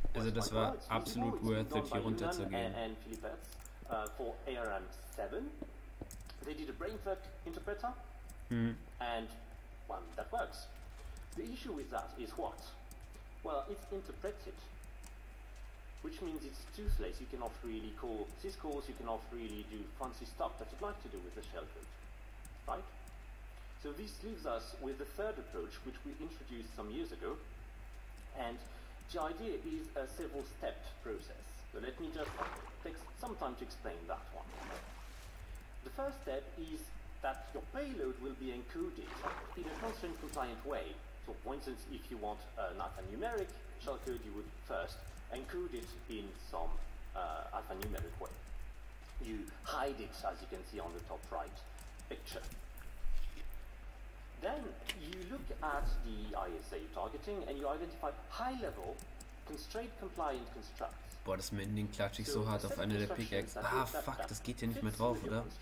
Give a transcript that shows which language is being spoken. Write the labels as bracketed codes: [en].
[de] Also das war absolut [en] worth it, [de] hier runterzugehen. [en] And Philippets for ARM 7. They did a brainfuck interpreter, and one that works. The issue with that is what? Well, it's interpreted. which means it's toothless. You cannot really call syscalls, you cannot really do fancy stuff that you'd like to do with the shellcode, right? So this leaves us with the third approach, which we introduced some years ago, and the idea is a several-stepped process. So let me just take some time to explain that one. The first step is that your payload will be encoded in a constraint-compliant way. So for instance, if you want an alphanumeric shellcode, you would first encode it in some alphanumeric way. You hide it, as you can see on the top right picture. Then you look at the ISA targeting and you identify high-level constraint-compliant constructs. [de] Boah, das Mending klatsche ich so hart auf eine der Pickaxe. Ah, fuck, das geht hier nicht mehr drauf, oder?